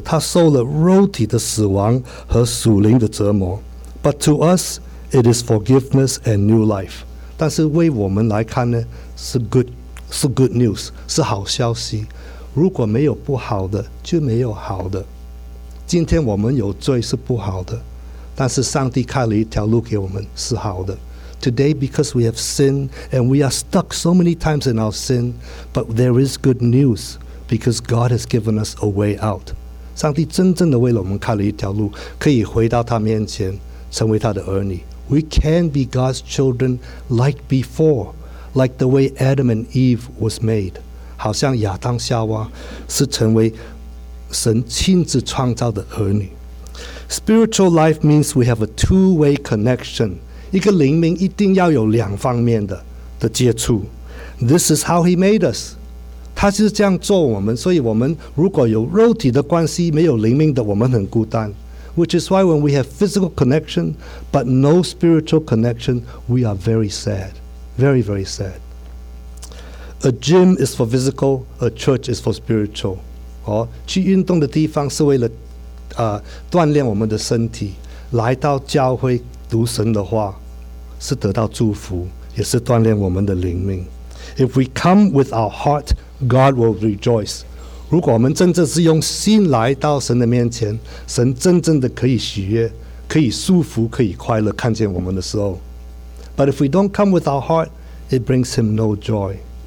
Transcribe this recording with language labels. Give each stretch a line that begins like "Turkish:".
Chinese: 他受了肉体的死亡和属灵的折磨。
English: But to us, it is forgiveness and new life.
Chinese: 但是为我们来看呢, 是
English: good news,
Chinese: 是好消息。如果没有不好的, 就没有好的。今天我们有罪是不好的, 但是上帝开了一条路给我们, 是好的。
English: Today, because we have sinned, and we are stuck so many times in our sin, but there is good news, because God has given us a way out.
Chinese: 上帝真正的为了我们开了一条路, 可以回到他面前, 成为他的儿女。
English: We can be God's children like before, like the way Adam and Eve was made.
Chinese: 好像亚当夏娃是成为神亲自创造的儿女。
English: Spiritual life means we have a two-way connection.
Chinese: 一个灵命一定要有两方面的接触。
English: This is how he made us.
Chinese: 他就是这样做我们, 所以我们如果有肉体的关系, 没有灵命的, 我们很孤单。
English: Which is why when we have physical connection, but no spiritual connection, we are very sad. Very, very sad. A gym is for physical, a church is for spiritual.
Chinese: 去运动的地方是为了锻炼我们的身体, 来到教会读神的话是得到祝福，也是锻炼我们的灵命。
English: If we come with our heart, God will rejoice.
Chinese: 如果我们真正是用心来到神的面前, 神真正的可以喜悦, 可以舒服, 可以快乐, 看见我们的时候。
English: But if we don't come with our heart, it brings him no joy.